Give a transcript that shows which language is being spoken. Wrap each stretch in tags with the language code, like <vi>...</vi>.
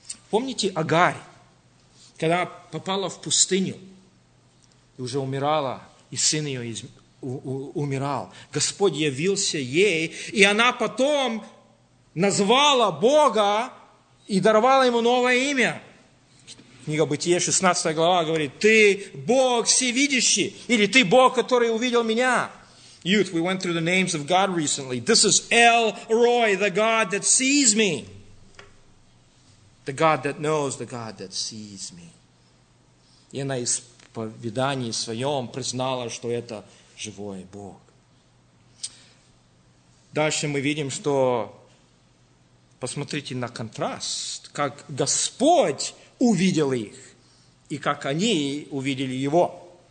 <ru>Помните Агарь, когда попала в пустыню, и уже умирала, и сын ее умирал. Господь явился ей, и она потом назвала Бога и даровала Ему новое имя. Книга Бытие, 16 глава, говорит, «Ты Бог всевидящий» или «Ты Бог, который увидел меня».</ru> <en>Youth, we went through the names of God recently. This is El Roy, the God that sees me. The God that knows, the God that sees me.</en> <ru>И она в исповедании своем признала, что это живой Бог. Дальше мы видим, что посмотрите на контраст, как Господь увидел их, и как они увидели Его.</ru>